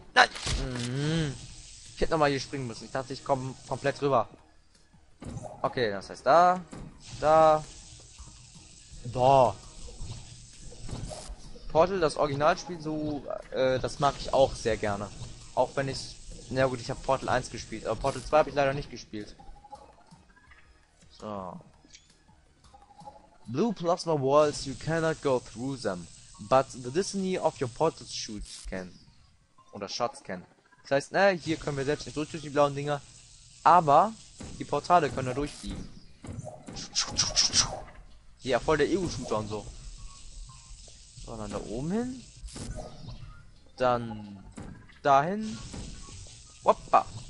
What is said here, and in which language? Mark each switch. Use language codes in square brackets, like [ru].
[de] Nein! Ich hätte nochmal hier springen müssen. Ich dachte, ich komme komplett rüber. Okay, das heißt da. Da. Boah. Portal, das Originalspiel, so, das mag ich auch sehr gerne. Auch wenn ich, na gut, ich habe Portal 1 gespielt, aber Portal 2 habe ich leider nicht gespielt. So. [en] Blue Plasma Walls, you cannot go through them, but the destiny of your portal shoots can. Oder Shots can. [de] Das heißt, ne, hier können wir selbst nicht durch, durch die blauen Dinger, aber die Portale können da durchfliegen. Ja, voll der Ego-Shooter und so. So, dann da oben hin. Dann dahin. Hoppa.